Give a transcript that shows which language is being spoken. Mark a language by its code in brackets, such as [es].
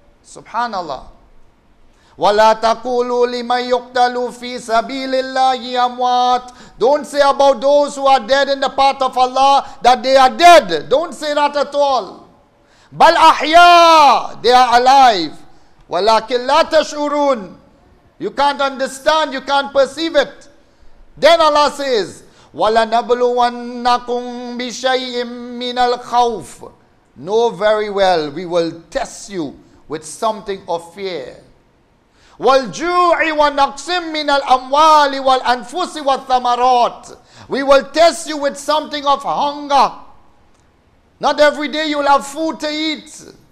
[ar] Subhanallah. وَلَا تَقُولُوا لِمَنْ يُقْتَلُوا فِي سَبِيلِ اللَّهِ أَمْوَاتِ. [en] Don't say about those who are dead in the path of Allah that they are dead. Don't say that at all. [ar] بَلْ أَحْيَا. [en] They are alive. [ar] وَلَكِنْ لَا تَشْعُرُونَ. [en] You can't understand, you can't perceive it. Then Allah says, [ar] وَلَنَبْلُوَنَّكُمْ بِشَيْءٍ مِّنَ الْخَوْفِ. [en] Know very well, we will test you with something of fear. [ar] وَالْجُوعِ وَنَقْسِمْ مِنَ الْأَمْوَالِ وَالْأَنْفُسِ وَالثَّمَرَاتِ. [en] We will test you with something of hunger. Not every day you'll have food to eat.